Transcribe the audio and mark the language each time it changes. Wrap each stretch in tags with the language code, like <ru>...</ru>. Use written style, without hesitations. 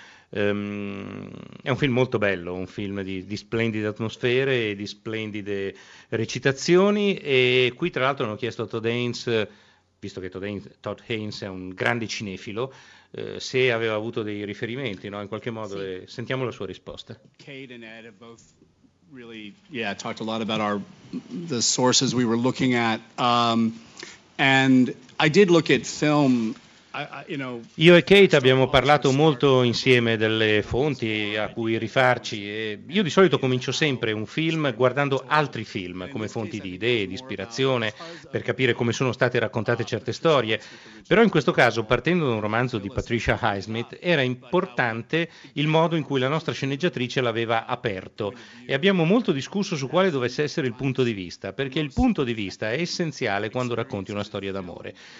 <it>È un film molto bello, un film di splendide atmosfere e di splendide recitazioni, e qui tra l'altro hanno chiesto a Todd Haynes, visto che Todd Haynes è un grande cinefilo, se aveva avuto dei riferimenti, no? In qualche modo, sì. Sentiamo la sua risposta.</it> <en>Kate and Ed have both really, yeah, talked a lot about the sources we were looking at, and I did look at film.</en> <it>Io e Kate abbiamo parlato molto insieme delle fonti a cui rifarci, e io di solito comincio sempre un film guardando altri film come fonti di idee, di ispirazione, per capire come sono state raccontate certe storie. Però in questo caso, partendo da un romanzo di Patricia Highsmith, era importante il modo in cui la nostra sceneggiatrice l'aveva aperto, e abbiamo molto discusso su quale dovesse essere il punto di vista, perché il punto di vista è essenziale quando racconti una storia d'amore.</it>